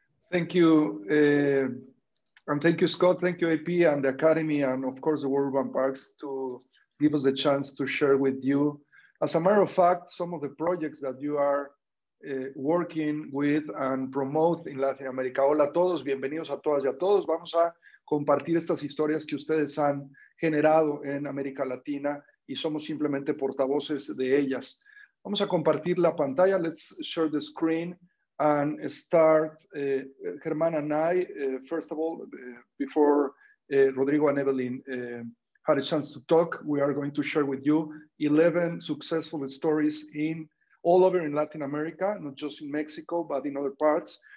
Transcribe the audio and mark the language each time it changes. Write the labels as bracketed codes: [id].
[en] Thank you. And thank you, Scott. Thank you, AP and the Academy, and of course, the World Urban Parks, to give us a chance to share with you. As a matter of fact, some of the projects that you are working with and promote in Latin America. [es] Hola a todos, bienvenidos a todas y a todos. Vamos a compartir estas historias que ustedes han generado en América Latina y somos simplemente portavoces de ellas. Vamos a compartir la pantalla. [en] Let's share the screen and start, Germán and I, first of all, before Rodrigo and Evelyn had a chance to talk, we are going to share with you 11 successful stories in all over in Latin America, not just in Mexico, but in other parts.